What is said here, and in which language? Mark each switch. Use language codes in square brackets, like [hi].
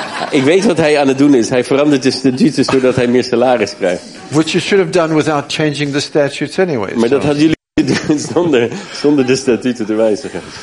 [nl] Ik weet wat hij aan het doen is. Hij verandert de statuten zodat hij meer salaris krijgt. [en] Which you should have done without changing the statutes anyway. [nl] Maar dat hadden jullie doen zonder de statuten te wijzigen.